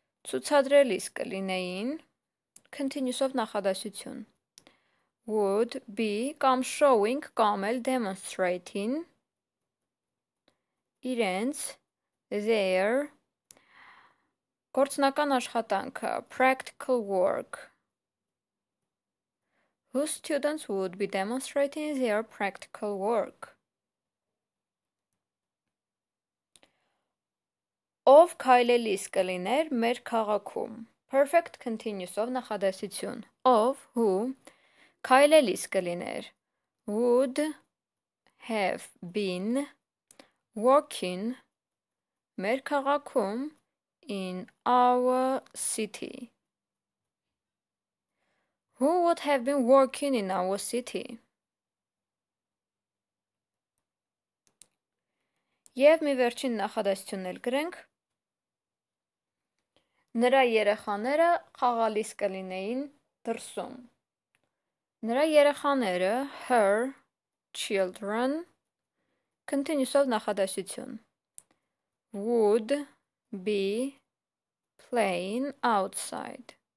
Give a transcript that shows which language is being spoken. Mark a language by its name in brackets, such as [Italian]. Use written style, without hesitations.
[Armenian] ցուցադրելիս կլինեին continuous-ով նախադասություն [English] would be [Armenian] կամ showing կամ էլ demonstrating իրենց their գործնական աշխատանքը [English] practical work. Whose students would be demonstrating their practical work? [Armenian] Ով քայլելիս կլիներ մեր քաղաքում։ Perfect continuous-ով նախադասություն։ Ով, who, քայլելիս կլիներ։ [English] Would have been walking [Armenian] մեր քաղաքում [English] in our city. Who would have been walking in our city? [Armenian] Եվ մի վերջին նախադասություն էլ գրենք։ Նրա երեխաները խաղալիս կլինեին դրսում։ Նրա երեխաները, [English] her children, [Armenian] continuous-ով նախադասություն, [English] would be playing outside.